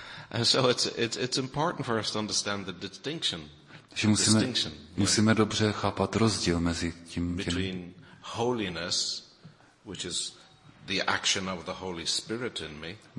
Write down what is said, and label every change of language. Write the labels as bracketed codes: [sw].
[en] And so it's important for us to understand the distinction. [cs] Že musíme dobře chápat rozdíl mezi tím [en] between holiness, which is the action of the Holy Spirit in me.